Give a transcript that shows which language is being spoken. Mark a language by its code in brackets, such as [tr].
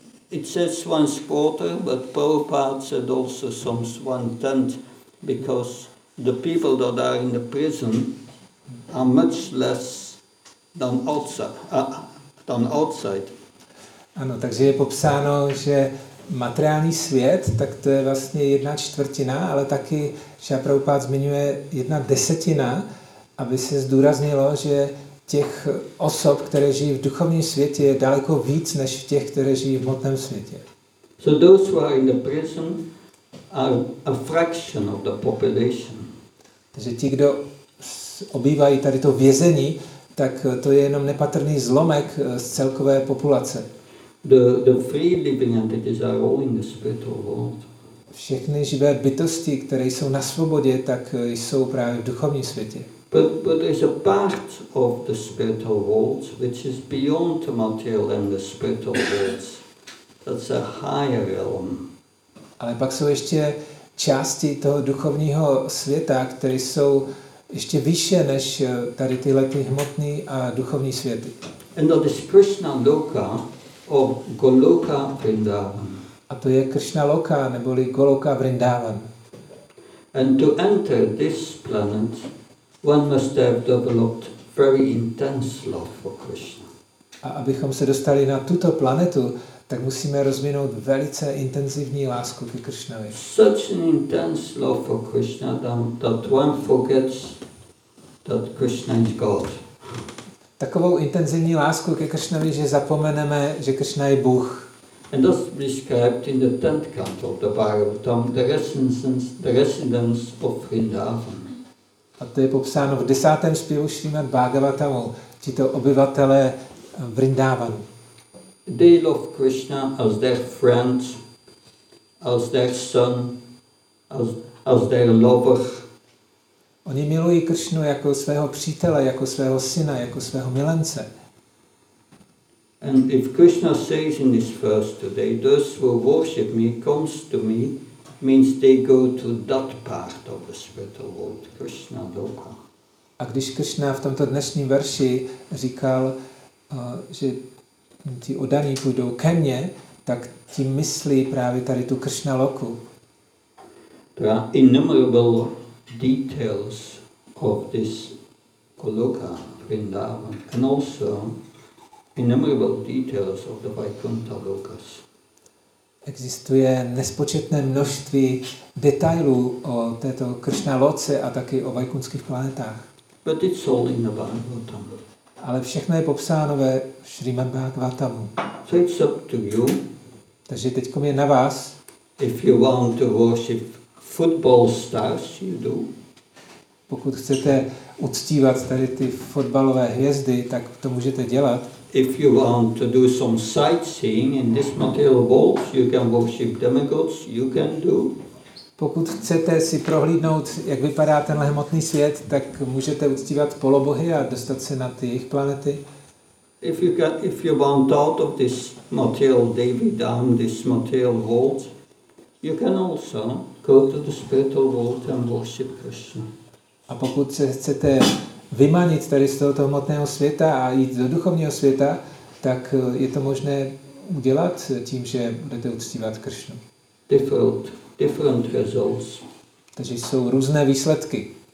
[en] It says one quarter, but Prabhupada said also some one tenth, because the people that are in the prison are much less than outside. [cs] Ano, takže je popsáno, že materiální svět, tak to je vlastně 1/4, ale taky, že Prabhupada zmiňuje 1/10, aby se zdůraznilo, že těch osob, které žijí v duchovním světě, je daleko víc než těch, které žijí v hmotném světě. [en] So those who are in the prison are a fraction of the population. [cs] Takže ti, kdo obývají tady to vězení, tak to je jenom nepatrný zlomek z celkové populace. [en] The free living entities are all in the spiritual world. [cs] Všechny živé bytosti, které jsou na svobodě, tak jsou právě v duchovním světě. [en] But there is a part of the spiritual world which is beyond the material and the spiritual world. That's a higher realm. [cs] Ale pak jsou ještě části toho duchovního světa, které jsou ještě vyšší než tady tyhle ty hmotný a duchovní světy. [en] And that is Krishna Loka or Goloka Vrindavan. [cs] A to je Krishna Loka neboli Goloka Vrindavan. [en] And to enter this planet, one must have developed very intense love for Krishna. [cs] A abychom se dostali na tuto planetu, tak musíme rozvinout velice intenzivní lásku ke Krishnovi. [en] Such an intense love for Krishna that one forgets that Krishna is God. [cs] Takovou intenzivní lásku ke Krishnovi, že zapomeneme, že Krishna je Bůh. [en] And thus described in the 10th canto of the Bhagavatam, the residence of Vrindavan. [cs] A to je popsáno v 10. zpěvu Srimad Bhagavatamu, tito obyvatelé Vrindavanu. [en] They love Krishna as their friend, as their son, as their lover. [cs] Oni milují Krishnu jako svého přítele, jako svého syna, jako svého milence. [en] And if Krishna says in this verse today, those who worship me comes to me, means they go to that part of the spiritual world, Krishna Loka. [cs] A když Krishna v tomto dnešním verši říkal, že ti oddaní půjdou ke mně, tak tím myslí právě tady tu Krishna Loku. [en] There are innumerable details of this Goloka Vrindavan and also innumerable details of the Vaikuntha Lokas. [cs] Existuje nespočetné množství detailů o této Krishna Loce a taky o vaikunských planetách. [en] But it's all in the Bhagavatam. [cs] Ale všechno je popsáno ve Srimad Bhagavatamu. [en] So it's up to you. [cs] Takže teďkom je na vás. [en] If you want to worship football stars, you do. [cs] Pokud chcete uctívat tady ty fotbalové hvězdy, tak to můžete dělat. [en] If you want to do some sightseeing in this material world, you can worship demigods, you can do. [cs] Pokud chcete si prohlídnout, jak vypadá tenhle hmotný svět, tak můžete uctívat polobohy a dostat se na ty jejich planety. [en] If you want out of this material Devi Dham, this material world, you can also go to the spiritual world and worship Krishna. [cs] A pokud se chcete vymanit tady z tohoto hmotného světa a jít do duchovního světa, tak je to možné udělat tím, že budete uctívat Krishnu. [en] Different results. [cs] Takže jsou různé výsledky.